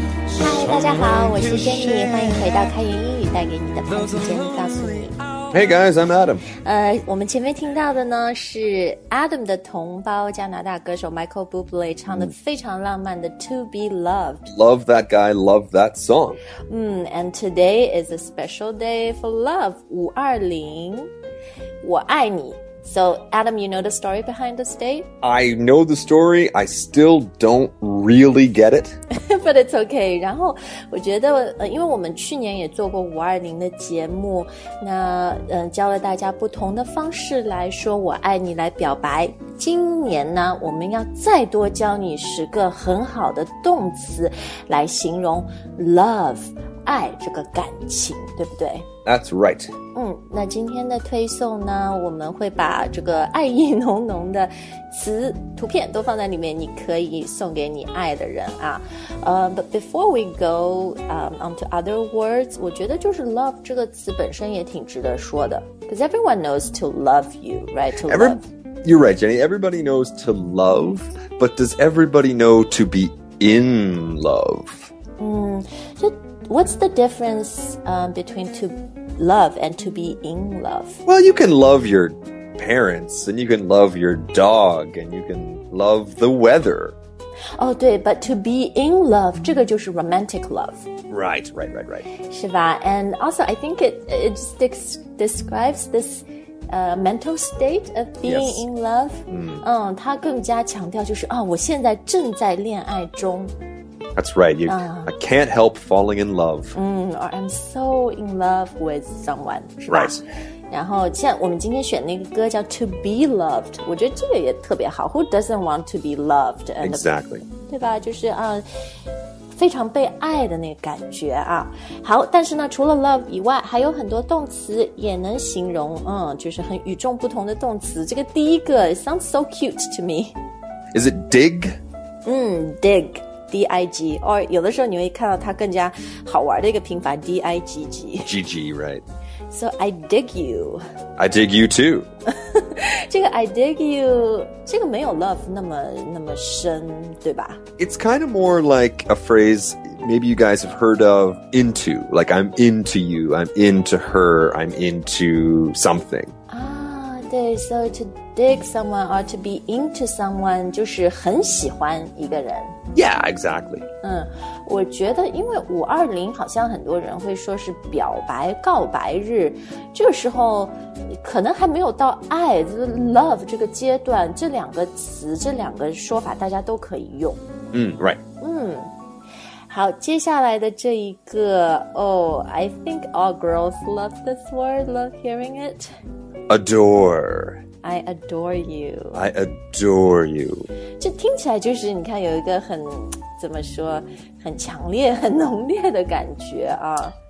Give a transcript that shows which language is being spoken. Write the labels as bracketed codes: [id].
[zh] 嗨，大家好，我是 Jenny， 欢迎回到开云英语，带给你的潘子坚告诉你。 [en] Hey guys, I'm Adam。 [zh] 我们前面听到的呢是 Adam 的同胞加拿大歌手 Michael Bublé 唱的非常浪漫的 To Be Loved。 [en] Love that guy, love that song。 And today is a special day for love. [zh] 520，我爱你。 [en] So Adam, you know the story behind this date? I know the story. I still don't really get it. But it's okay. [zh] 然后我觉得因为我们去年也做过520的节目，那教了大家不同的方式来说我爱你来表白。今年呢，我们要再多教你十个很好的动词来形容 love。爱这个感情，对不对？ [en] That's right. [zh] 那今天的推送呢，我们会把这个爱意浓浓的词图片都放在里面，你可以送给你爱的人啊。 But before we go onto other words, 我觉得就是 love 这个词本身也挺值得说的。 [en] Because everyone knows to love you, right? To love. You're right, Jenny. Everybody knows to love, but does everybody know to be in love? What's the difference between to love and to be in love? Well, you can love your parents, and you can love your dog, and you can love the weather. Oh, 对, but to be in love, 这个就是 romantic love. Right. [zh] 是吧? [en] And also, I think it just describes this... mental state of being、 yes. in love. [zh] 他更加强调就是、哦、我现在正在恋爱中。 [en] That's right. You, I can't help falling in love. Or I'm so in love with someone. Right. [zh] 然后像我们今天选那个歌叫 To Be Loved. 我觉得这个也特别好。 [en] Who doesn't want to be loved? And exactly. [zh] 对吧？就是啊、非常被爱的那个感觉啊。好，但是呢，除了 love 以外，还有很多动词也能形容，就是很与众不同的动词。 [en] 这个第一个 sounds so cute to me. Is it dig? Dig. [zh] D-I-G, or 有的时候你会看到它更加好玩的一个拼法 D-I-G-G. [en] G-G, right. So I dig you. I dig you too. [zh] 这个 I dig you, 这个没有 love 那么深，对吧？ [en] It's kind of more like a phrase maybe you guys have heard of, into. Like I'm into you, I'm into her, I'm into something. So to dig someone or to be into someone 就是很喜欢一个人 Yeah, exactly. [zh] 我觉得因为520好像很多人会说是表白告白日，这个时候可能还没有到爱 love 这个阶段，这两个词这两个说法大家都可以用。 [en] Right. 好，接下来的这一个 I think all girls love this word, love hearing it. Adore. I adore you. I adore you. [zh] 这听起来就是你看有一个很怎么说很强烈很浓烈的感觉啊。